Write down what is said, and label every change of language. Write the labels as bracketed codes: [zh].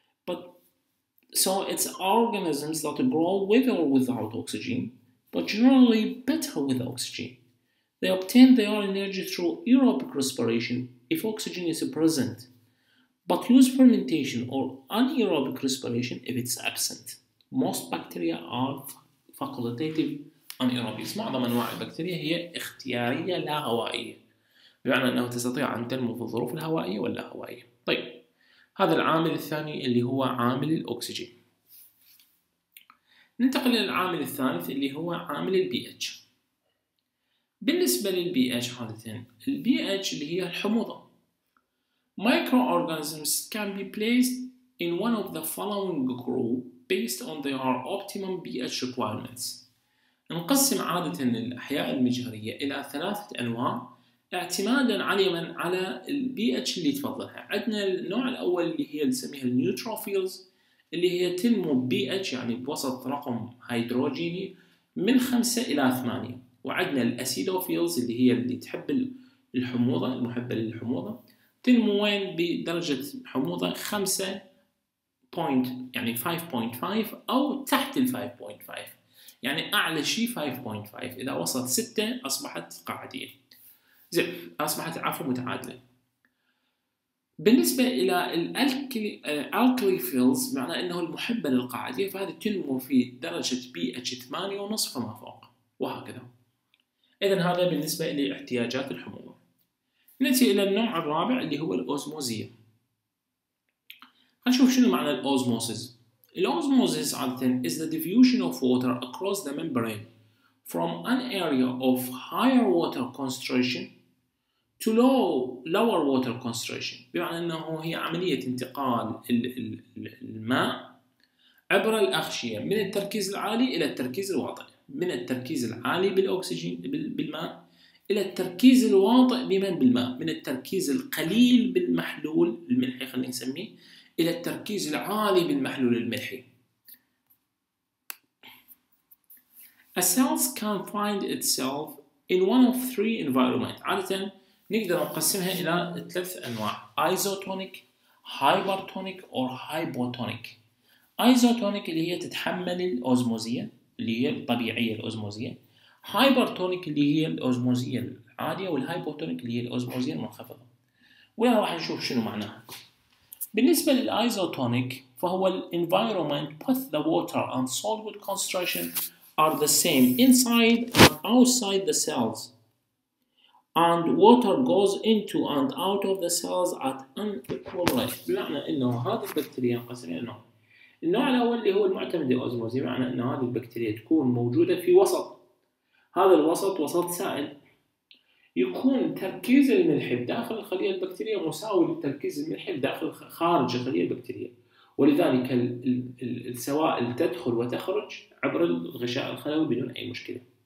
[en] But so it's organisms that grow with or without oxygen but generally better with oxygen. They obtain their energy through aerobic respiration if oxygen is present, but use fermentation or anaerobic respiration if it's absent. Most bacteria are facultative anaerobes. [ar] معظم أنواع البكتيريا هي اختيارية لا هوائية، بمعنى أنه تستطيع أن تنمو في الظروف الهوائية واللا هوائية. طيب، هذا العامل الثاني اللي هو عامل الأكسجين. ننتقل إلى العامل الثالث اللي هو عامل الـ pH. بالنسبة للـ pH عادة، الـ pH اللي هي الحموضة. [en] Microorganisms can be placed in one of the following group based on their optimum pH requirements. [ar] نقسم عادة الأحياء المجهرية إلى ثلاثة أنواع اعتمادا عليما على الـ pH اللي تفضلها. عندنا النوع الأول اللي هي نسميها neutrophils، اللي هي تنمو pH يعني بوسط رقم هيدروجيني من 5 إلى 8. وعندنا الأسيدوفيلز اللي هي اللي تحب الحموضة، المحبة للحموضة، تنمو وين؟ بدرجة حموضة 5 point يعني 5.5 أو تحت ال 5.5، يعني أعلى شيء 5.5، إذا وصلت 6 أصبحت قاعدية، زين أصبحت عفوا متعادلة. بالنسبة إلى الألكليفيلز، معناه أنه المحبة للقاعدية، فهذه تنمو في درجة pH 8.5 فما فوق وهكذا. إذن هذا بالنسبة لاحتياجات الحموضة. نأتي إلى النوع الرابع اللي هو الأوزموزية. هنشوف شنو معنى الأوزموزيس. الأوزموزيس عادة [en] is the diffusion of water across the membrane from an area of higher water concentration to lower water concentration. [ar] بمعنى أنه هي عملية انتقال الماء عبر الأغشية من التركيز العالي إلى التركيز الواطئ. من التركيز العالي بالأكسجين بالماء إلى التركيز الواطئ بمن بالماء، من التركيز القليل بالمحلول الملحي خلينا نسميه إلى التركيز العالي بالمحلول الملحي. [en] A cell can find itself in one of three environments. [ar] عادة نقدر نقسمها إلى ثلاث أنواع: [en] isotonic, hypertonic or hypotonic. [ar] isotonic اللي هي تتحمل الأوزموزية اللي هي الطبيعية الأوزموزية. hypertonic اللي هي الأوزموزية العادية، والhypotonic اللي هي الأوزموزية المنخفضة. وياها راح نشوف شنو معناها. بالنسبة للايزوتونيك فهو الـ [en] environment with the water and solute concentration are the same inside and outside the cells. And water goes into and out of the cells at an equal rate. [ar] بمعنى انه هذه البكتيريا قسمين نوع. النوع الاول اللي هو المعتمد الاوزموزي، معنى انه هذه البكتيريا تكون موجودة في وسط. هذا الوسط وسط سائل. يكون تركيز الملح داخل الخلية البكتيرية مساوي لتركيز الملح داخل خارج الخلية البكتيرية، ولذلك السوائل تدخل وتخرج عبر الغشاء الخلوي بدون أي مشكلة.